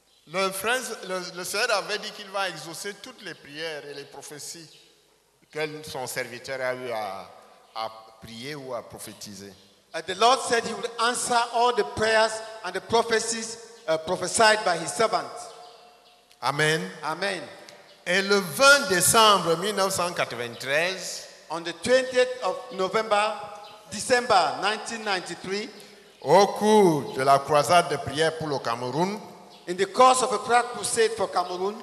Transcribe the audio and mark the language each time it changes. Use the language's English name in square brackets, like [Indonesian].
[French] Le frère, le Seigneur avait dit qu'il va exaucer toutes les prières et les prophéties que son serviteur a eu à prier ou à prophétiser. [English] The Lord said he would answer all the prayers and the prophecies prophesied by his servant. Amen. Amen. [French] Et le 20 décembre 1993, [English] on the 20th of November, December 1993, [French] au cours de la croisade de prière pour le Cameroun, [English] in the course of a prayer crusade for Cameroun,